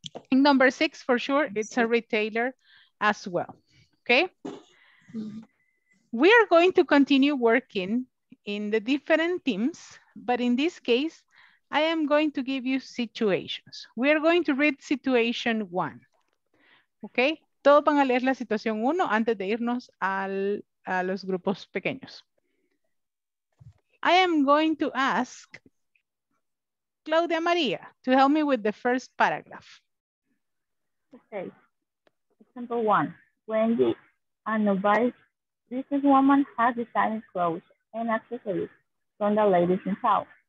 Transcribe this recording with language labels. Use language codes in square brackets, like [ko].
[en] And number six, for sure, it's a retailer as well, okay? We are going to continue working in the different teams, but in this case, I am going to give you situations. We are going to read situation one, okay? [es] Todos van a leer la situación uno antes de irnos a los grupos pequeños. [en] I am going to ask Claudia Maria to help me with the first paragraph. Okay, example one, Wendy, a businesswoman has designed clothes and accessories from the ladies in town.